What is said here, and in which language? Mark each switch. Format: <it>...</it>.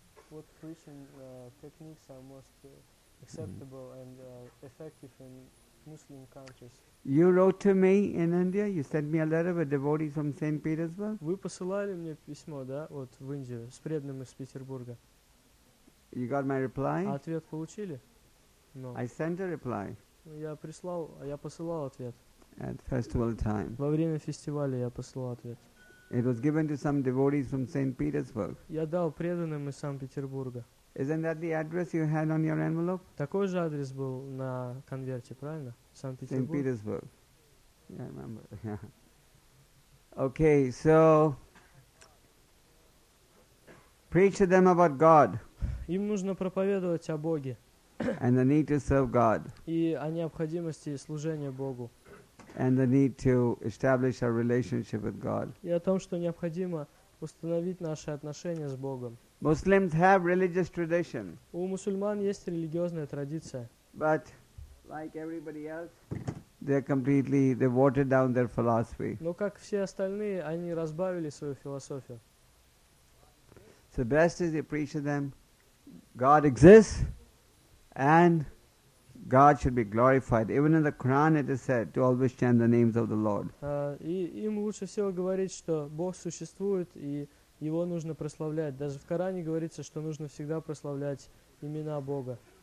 <en>What preaching techniques are most acceptable and effective in Muslim countries? You wrote to me in India. You sent me a letter with devotees from St. Petersburg.</en> <ru>Вы посылали мне письмо, да, вот в Индию с преданным из Петербурга.</ru> <en>You got my reply?</en> <ru>Ответ получили?</ru> <en>No. I sent a reply.</en> <ru>Я посылал ответ.</ru> <en>At festival time.</en> <ru>Во время фестиваля я посылал ответ.</ru> <en>It was given to some devotees from St. Petersburg.</en> <ru>Я дал преданным из Санкт-Петербурга.</ru> <en>Isn't that the address you had on your envelope?</en> <ru>Такой же адрес был на конверте, правильно?</ru> <en>Saint Petersburg. Yeah, I remember. Okay, so preach to them about God.</en> <ru>Им нужно проповедовать о Боге.</ru> <en>And the need to serve God.</en> <ru>И о необходимости служения Богу.</ru> <en>And the need to establish our relationship with God.</en> <ru>И о том, что необходимо установить наши отношения с Богом.</ru> <en>Muslims have religious tradition.</en> <ru>У мусульман есть религиозная традиция.</ru> <en>But like everybody else, they watered down their philosophy.</en> <ru>Но как все остальные, они разбавили свою философию.</ru> <en>So best is to preach to them, God exists, and God should be glorified. Even in the Quran, it is said to always chant the names of the Lord.</en> <ru>И им лучше всего говорить, что Бог существует и Его нужно прославлять. Даже в Коране говорится, что нужно всегда прославлять имена Бога.</ru>